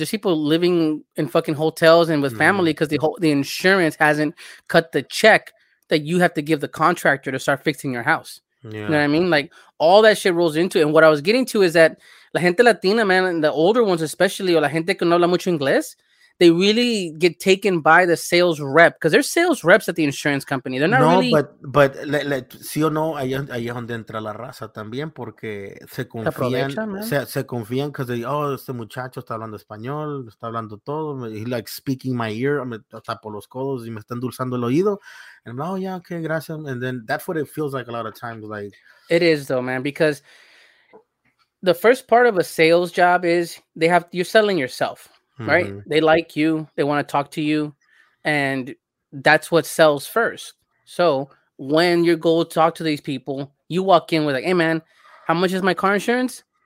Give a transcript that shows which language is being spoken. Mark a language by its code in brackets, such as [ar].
[en] There's people living in fucking hotels and with family because the insurance hasn't cut the check that you have to give the contractor to start fixing your house. Yeah. You know what I mean? Like, all that shit rolls into it. And what I was getting to is that [es] la gente Latina, [en] man, and the older ones especially, or [es] la gente que no habla mucho inglés, [en] they really get taken by the sales rep because they're sales reps at the insurance company. They're not But [es] sí o no, ahí es donde entra la raza también porque se confían. Se confían [en] because they, [es] oh, este muchacho está hablando español, está hablando todo. [en] He's like speaking my ear. I'm [es] hasta por los codos y me está endulzando el oído. [en] And I'm like, oh, yeah, okay, gracias. And then that's what it feels like a lot of times. Like, it is, though, man, because the first part of a sales job is you're selling yourself. Right, mm-hmm. They like you, they want to talk to you, and that's what sells first. So when you go talk to these people, you walk in with like, hey man, how much is my car insurance?